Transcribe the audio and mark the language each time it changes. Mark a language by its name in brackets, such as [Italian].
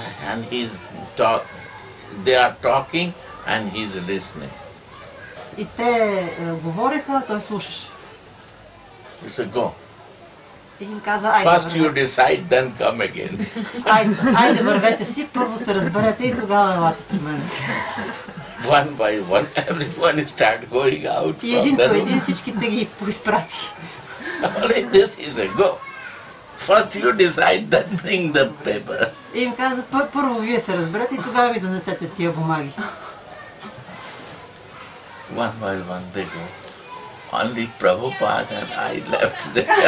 [English] And he's talk, they are talking and he's listening. [Bulgarian] И те говореха, той слушаше. [English] He said, go. [Bulgarian] И им каза, айде вървете. [English] First you decide, then come again. [Bulgarian] Айде вървете си, първо се разберете и тогава елате при мен. [English] One by one, everyone start going out. [Bulgarian] Един по един всичките ги поизпрати. [English] This is a go. First you decide, then bring the paper. [Bulgarian] И им каза, първо вие се разберете и тогава ми донесете тия бумаги. [English] One by one they go. Only Prabhupada and I left there.